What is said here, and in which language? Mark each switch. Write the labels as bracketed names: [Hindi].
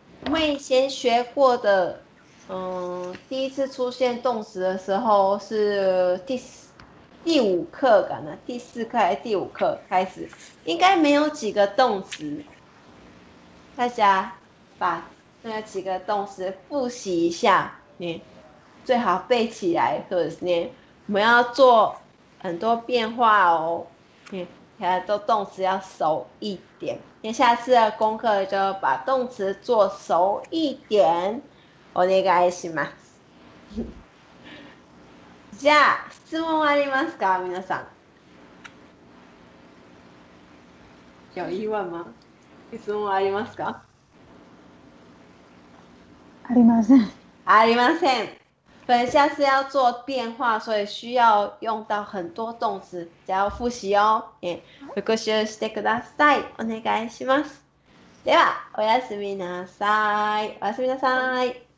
[Chinese] 我们以前学过的，第一次出现动词的时候是第五课，可能第四课还是第五课开始，应该没有几个动词。大家把那几个动词复习一下，最好背起来，是不是？我们要做很多变化哦，现在都动词要熟一点。那下次的功课就把动词做熟一点， [Japanese] お願いします。じゃあ、質問ありますか、皆さん？ [Chinese] 有疑问吗？ [Japanese] 質問ありますか？ありません。ありません。 [Chinese] 本来下次要做变化，所以需要用到很多动词，只要复习哦。 [Japanese] 復習してください。お願いします。では、おやすみなさい。おやすみなさい。